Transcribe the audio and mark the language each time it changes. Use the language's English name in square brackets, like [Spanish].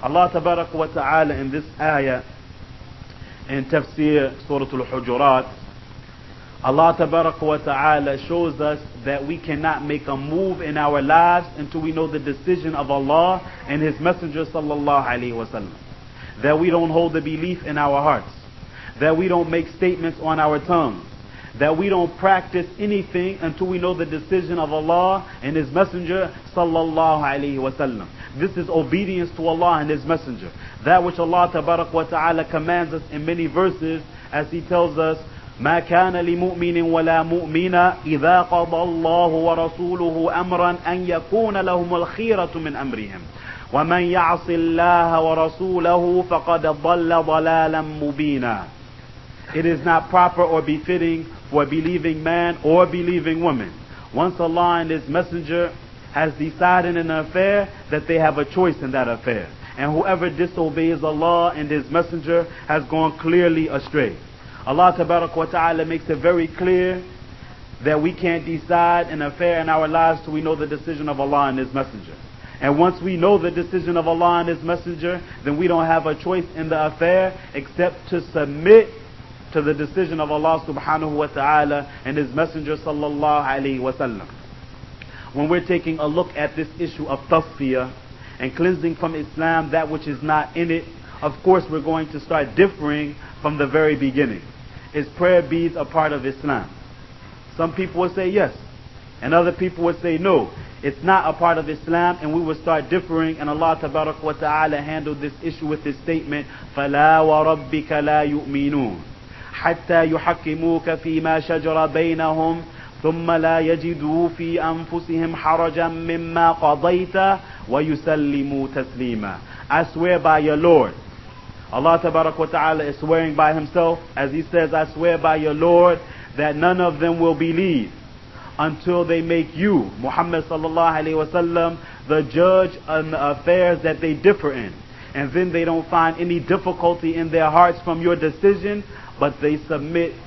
[English] Allah tabaraka wa ta'ala in this ayah in tafsir Surah Al-Hujurat, Allah tabaraka wa ta'ala shows us that we cannot make a move in our lives until we know the decision of Allah and His messenger sallallahu alayhi wa sallam. That we don't hold the belief in our hearts, that we don't make statements on our tongues, that we don't practice anything until we know the decision of Allah and His messenger sallallahu alayhi wa sallam. This is obedience to Allah and His messenger. That which Allah tabarak wa ta'ala commands us in many verses, as He tells us, [Arabic] مَا كَانَ لِمُؤْمِنٍ وَلَا مُؤْمِنَ إِذَا قَضَى اللَّهُ وَرَسُولُهُ أَمْرًا أَنْ يَكُونَ لَهُمُ الْخِيرَةُ مِنْ أَمْرِهِمْ وَمَنْ يَعْصِ اللَّهَ وَرَسُولَهُ فَقَدْ ضَلَّ ضَلَالًا مُبِينًا. [English] It is not proper or befitting for a believing man or a believing woman, once Allah and His messenger has decided in an affair, that they have a choice in that affair. And whoever disobeys Allah and His messenger has gone clearly astray. Allah tabarak wa ta'ala makes it very clear that we can't decide an affair in our lives till we know the decision of Allah and His messenger. And once we know the decision of Allah and His messenger, then we don't have a choice in the affair except to submit to the decision of Allah subhanahu wa ta'ala and His messenger sallallahu alayhi wa sallam. When we're taking a look at this issue of tasfiyah and cleansing from Islam that which is not in it, of course we're going to start differing from the very beginning. Is prayer beads a part of Islam? Some people will say yes, and other people will say no, it's not a part of Islam, and we will start differing. And Allah tabarak wa ta'ala handled this issue with His statement, [Arabic] فَلَا وَرَبِّكَ لَا يُؤْمِنُونَ حَتَّى يُحَكِّمُوكَ فِي مَا شَجَرَ بَيْنَهُمْ ثُمَّ لَا يَجِدُوا فِي أَنفُسِهِمْ حَرَجًا مِّمَّا قَضَيْتَ وَيُسَلِّمُوا تَسْلِيمًا. [English] I swear by your Lord. Allah tabarak wa ta'ala is swearing by Himself as He says, I swear by your Lord that none of them will believe until they make you, Muhammad sallallahu alayhi wa sallam, the judge on the affairs that they differ in. And then they don't find any difficulty in their hearts from your decision, but they submit